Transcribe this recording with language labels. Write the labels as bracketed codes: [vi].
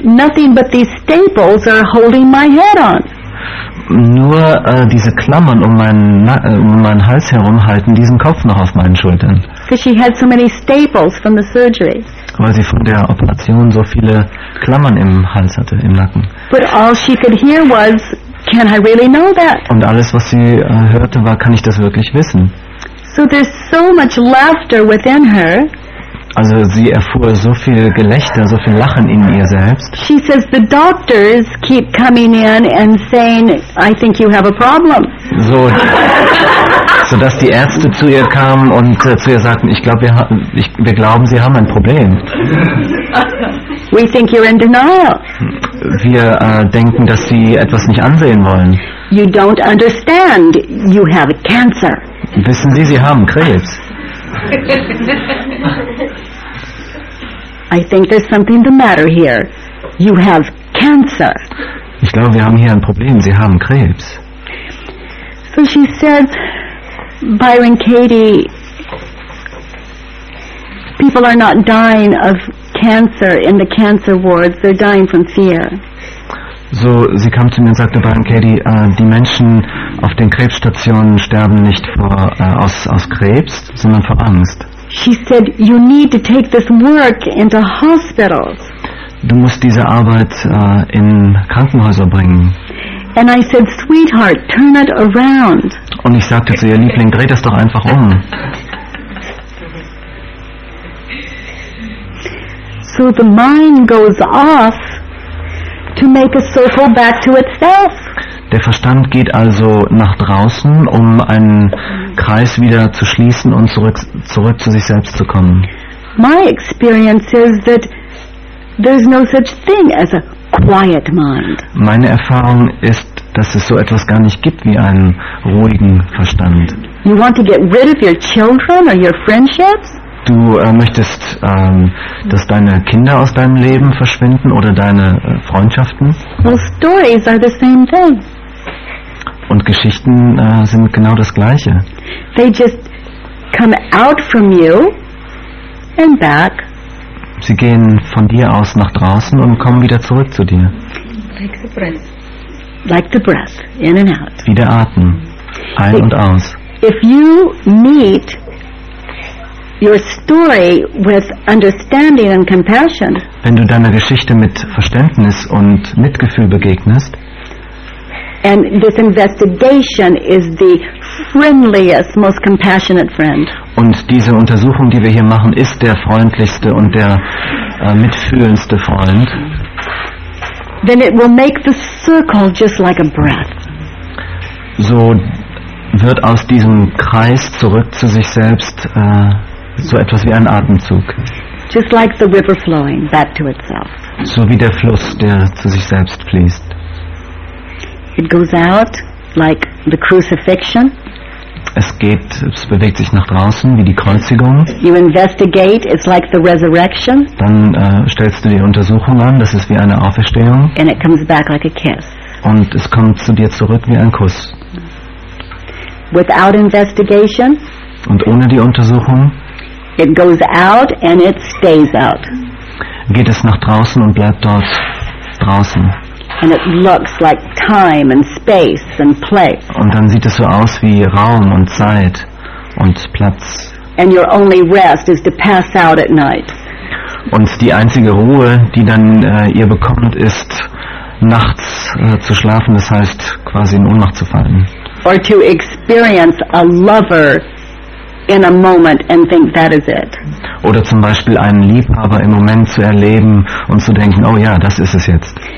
[en] Nothing but these staples are holding my head on. [de] Nur diese Klammern um meinen Hals herum halten diesen Kopf noch auf meinen Schultern. [en] Because she had so many staples from the surgery. [de] Weil sie von der Operation so viele Klammern im Hals hatte, im Nacken. [en] But all she could hear was, can I really know that? [de] Und alles, was sie hörte, war, kann ich das wirklich wissen? [en] So there's so much laughter within her. [de] Also sie erfuhr so viel Gelächter, so viel Lachen in ihr selbst. [en] She says the doctors keep coming in and saying, I think you have a problem. [de] So dass die Ärzte zu ihr kamen und zu ihr sagten, wir glauben, sie haben ein Problem. [en] We think you're in denial. [de] Wir denken, dass sie etwas nicht ansehen wollen. [en] You don't understand. You have cancer. [de] Wissen Sie, Sie haben Krebs. [en] I think there's something the matter here. You have cancer. [de] Ich glaube, wir haben hier ein Problem. Sie haben Krebs. [en] So she says, Byron Katie, people are not dying of cancer in the cancer wards. They're dying from fear. [de] So, sie kam zu mir und sagte, Byron Katie, die Menschen auf den Krebsstationen sterben nicht aus Krebs, sondern vor Angst. [en] She said, you need to take this work into hospitals. [de] Du musst diese Arbeit in Krankenhäuser bringen. [en] And I said, sweetheart, turn it around. [de] Und ich sagte zu ihr, Liebling, dreh das doch einfach um. [en] So the mind goes off to make a circle back to itself. [de] Der Verstand geht also nach draußen, um einen Kreis wieder zu schließen und zurück zu sich selbst zu kommen. [en] My experience is that there's no such thing as a quiet mind. [de] Meine Erfahrung ist, dass es so etwas gar nicht gibt wie einen ruhigen Verstand. [en] You want to get rid of your children or your friendships? [de] Du möchtest, dass deine Kinder aus deinem Leben verschwinden oder deine Freundschaften? [en] Well, stories are the same thing. [de] Und Geschichten sind genau das Gleiche. [en] They just come out from you and back. [de] Sie gehen von dir aus nach draußen und kommen wieder zurück zu dir. [en] Like the breath, in and out. [de] Wie der Atem, ein und aus. [en] If you meet your story with understanding and compassion. [de] Wenn du deiner Geschichte mit Verständnis und Mitgefühl begegnest. [en] And this investigation is the friendliest, most compassionate friend. [de] Und diese Untersuchung, die wir hier machen, ist der freundlichste und der mitfühlendste Freund. [en] Then it will make the circle just like a breath. [de] So wird aus diesem Kreis zurück zu sich selbst so etwas wie ein Atemzug. [en] Just like the river flowing back to itself. [de] So wie der Fluss, der zu sich selbst fließt. [en] It goes out like the crucifixion. [de] Es bewegt sich nach draußen wie die Kreuzigung. [en] You investigate, it's like the resurrection. [de] Dann stellst du die Untersuchung an, das ist wie eine Auferstehung. [en] And it comes back like a kiss. [de] Und es kommt zu dir zurück wie ein Kuss. [en] Without investigation. [de] Und ohne die Untersuchung. [en] It goes out and it stays out. [de] Geht es nach draußen und bleibt dort draußen. [en] And it looks like time and space and place. [de] Und dann sieht es so aus wie Raum und Zeit und Platz. [en] And your only rest is to pass out at night. [de] Und die einzige Ruhe, die dann ihr bekommt, ist nachts zu schlafen, das heißt quasi in Ohnmacht zu fallen. [en] Or to experience a lover in a moment and think that is it. [de] Oder zum Beispiel einen Liebhaber im Moment zu erleben und zu denken, oh ja, das ist es jetzt.